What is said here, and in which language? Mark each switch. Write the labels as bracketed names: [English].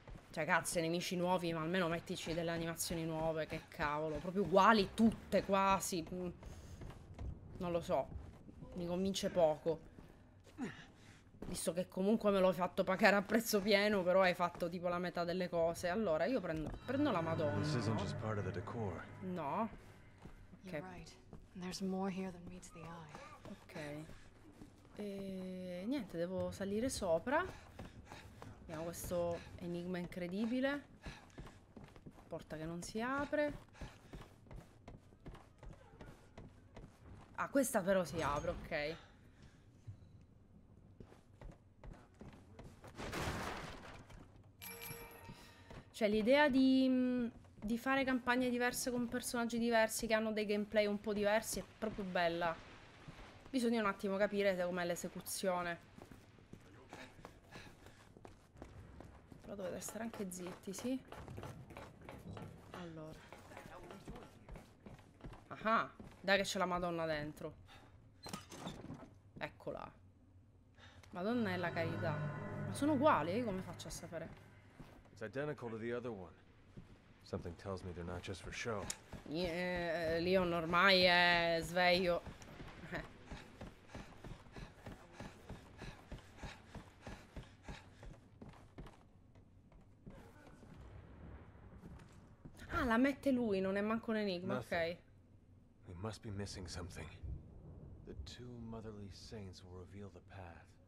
[Italian] Cioè, cazzo, nemici nuovi, ma almeno mettici delle animazioni nuove, che cavolo. Proprio uguali tutte, quasi. Non lo so. Mi convince poco. Visto che comunque me l'ho fatto pagare a prezzo pieno, però hai fatto tipo la metà delle cose. Allora, io prendo la Madonna. [English] This isn't just part of the decor. No. Ok. You're right. There's more here than meets the eye. [Italian] Ok. E niente, devo salire sopra. Abbiamo questo enigma incredibile. Porta che non si apre. Ah, questa però si apre, ok. Cioè, l'idea di fare campagne diverse con personaggi diversi che hanno dei gameplay un po' diversi è proprio bella. Bisogna un attimo capire com'è l'esecuzione. Però dovete stare anche zitti, sì? Allora. Aha! Dai che c'è la Madonna dentro. Eccola. Madonna è la carità. Ma sono uguali, io come faccio a sapere? È identico [English] to the other one. Something tells me they're not just for show. [Italian] Leon ormai è sveglio. Ah, la mette lui, non è manco un enigma, ok. [English] We must be missing something. The two motherly saints will reveal the path.